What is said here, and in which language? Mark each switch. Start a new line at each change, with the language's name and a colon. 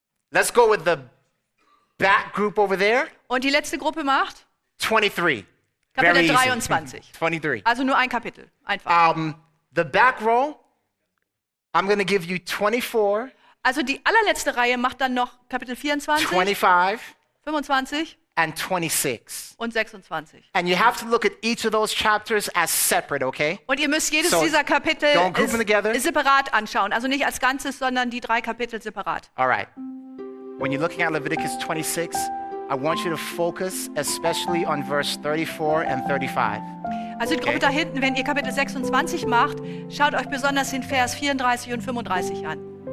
English: Let's go with the back group over there.
German: Und die letzte Gruppe macht?
English: 23.
German: Kapitel Very 23. 23. Also nur ein Kapitel, einfach.
English: The back row, I'm going to give you 24.
German: Also die allerletzte Reihe macht dann noch Kapitel 24.
English: 25.
German: 25.
English: and 26.
German: Und 26.
English: And you have to look at each of those chapters as separate, okay?
German: Und ihr müsst jedes dieser Kapitel separat anschauen, also nicht als Ganzes, sondern die drei Kapitel separat.
English: All right. When you're looking at Leviticus 26, I want you to focus especially on verse 34 and 35.
German: Also die Gruppe da hinten, wenn ihr Kapitel 26 macht, schaut euch besonders den Vers 34 und 35 an.